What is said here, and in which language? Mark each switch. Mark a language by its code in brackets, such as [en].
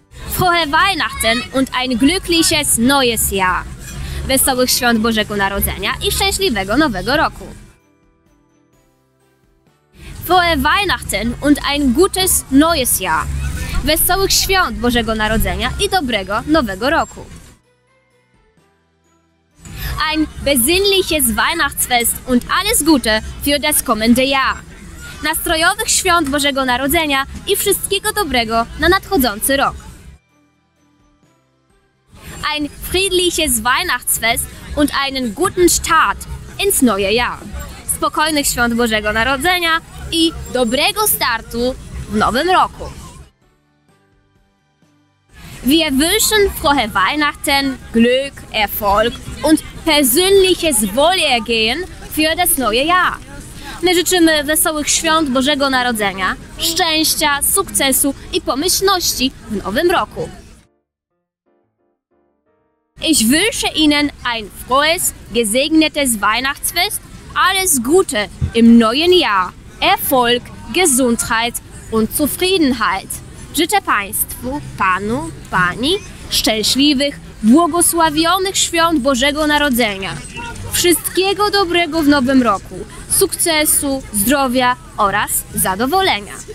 [de] Frohe Weihnachten und ein glückliches neues Jahr. [pl] Wesołych świąt Bożego Narodzenia i szczęśliwego Nowego Roku. [de] Frohe Weihnachten und ein gutes neues Jahr. [pl] Wesołych świąt Bożego Narodzenia i dobrego Nowego Roku. [de] Ein besinnliches Weihnachtsfest und alles Gute für das kommende Jahr. [pl] Nastrojowych świąt Bożego Narodzenia i wszystkiego dobrego na nadchodzący rok. [de] Ein friedliches Weihnachtsfest und einen guten Start ins neue Jahr. [pl] Spokojnych świąt Bożego Narodzenia i dobrego startu w nowym roku. [de] Wir wünschen frohe Weihnachten, Glück, Erfolg und persönliches Wohlergehen für das neue Jahr. [pl] My życzymy wesołych świąt Bożego Narodzenia, szczęścia, sukcesu i pomyślności w nowym roku. [de] Ich wünsche Ihnen ein frohes, gesegnetes Weihnachtsfest, alles Gute im neuen Jahr, Erfolg, Gesundheit und Zufriedenheit. [pl] Życzę Państwu, Panu, Pani, szczęśliwych, błogosławionych świąt Bożego Narodzenia. Wszystkiego dobrego w nowym roku, sukcesu, zdrowia oraz zadowolenia.